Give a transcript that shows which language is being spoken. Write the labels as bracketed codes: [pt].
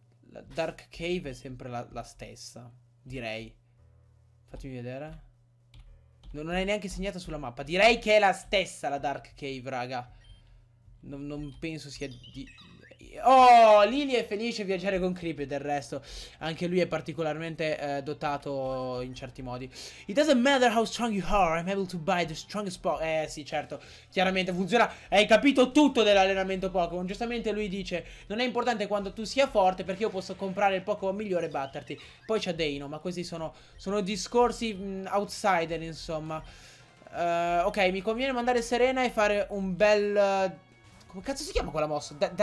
[it] La Dark Cave è sempre la stessa, direi. Fatemi vedere. Non è neanche segnata sulla mappa. Direi che è la stessa la Dark Cave, raga. Non penso sia di... Oh, Lily è felice a viaggiare con Creepy, del resto. Anche lui è particolarmente dotato in certi modi. [en] It doesn't matter how strong you are, I'm able to buy the strongest Pokémon. [it] Sì, certo, chiaramente funziona. Hai capito tutto dell'allenamento Pokémon. Giustamente lui dice, non è importante quando tu sia forte, perché io posso comprare il Pokémon migliore e batterti. Poi c'è Deino, ma questi sono discorsi outsider, insomma. Ok, mi conviene mandare Serena e fare un bel... Come cazzo si chiama quella mossa?